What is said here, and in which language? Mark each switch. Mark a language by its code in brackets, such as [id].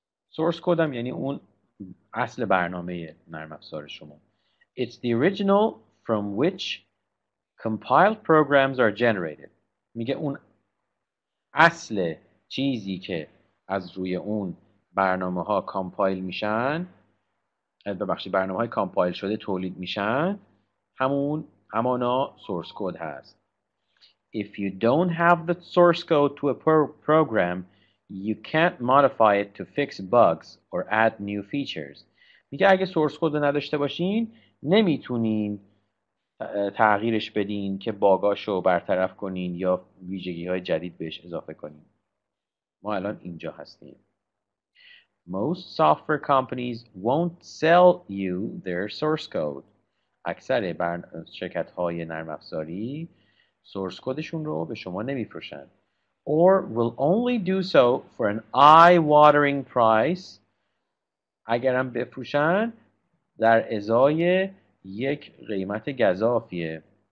[fa] Source code هم یعنی اون اصل برنامه نرم افزار شما. [en] It's the original from which compiled programs are generated. [fa] میگه اون اصل چیزی که از روی اون برنامه ها کامپایل میشن، ببخشید برنامه های کامپایل شده تولید میشن، همانا source code هست. [en] If you don't have the source code to a program, you can't modify it to fix bugs or add new features. [fa] میگه اگه سورس کد نداشته باشین نمیتونین تغییرش بدین که باگاشو برطرف کنین یا ویژگی های جدید بهش اضافه کنین. ما الان اینجا هستیم. [en] Most software companies won't sell you their source code. [fa] اکثر شرکت های نرم افزاری سورس کدشون رو به شما نمیفروشن. [en] Or will only do so for an eye-watering price. [fa] اگرم بفروشن در ازای یک قیمت گزافیه.